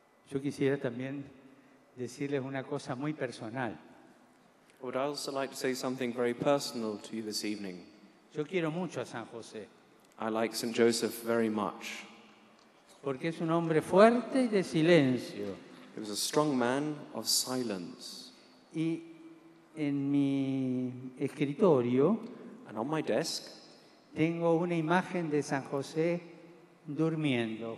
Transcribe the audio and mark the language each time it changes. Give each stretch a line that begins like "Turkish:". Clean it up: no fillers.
Spanish: Yo quisiera también decirles una cosa muy personal.
English: I would also like to say something very personal to you this evening.
Spanish: Yo quiero mucho a San José.
English: I like St. Joseph very much.
Spanish: Porque es un hombre fuerte y de silencio.
English: He was a strong man of silence.
Spanish: Y en mi escritorio,
English: and on my desk,
Spanish: tengo una imagen de San José durmiendo.